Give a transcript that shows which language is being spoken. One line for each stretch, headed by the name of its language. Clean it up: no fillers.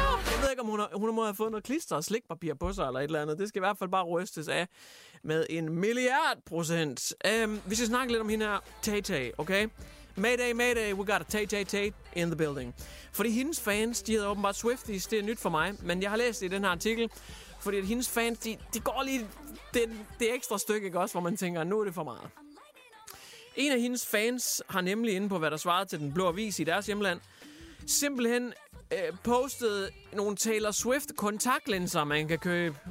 Danish: Jeg ved ikke, om hun må have fået noget klister og slikpapir på sig eller et eller andet. Det skal i hvert fald bare rystes af med en 1 milliard procent. Vi skal snakke lidt om hende her, Tay-Tay, okay?
English: Mayday, mayday, we got a Tay-Tay-Tay in the building.
Danish: Fordi hendes fans, de hedder åbenbart Swifties, det er nyt for mig, men jeg har læst det i den her artikel, fordi at hendes fans, de går lige det ekstra stykke, ikke også, hvor man tænker, nu er det for meget. En af hendes fans har nemlig inde på, hvad der svarede til Den Blå Avis i deres hjemland, simpelthen postede nogle Taylor Swift-kontaktlinser, man kan købe.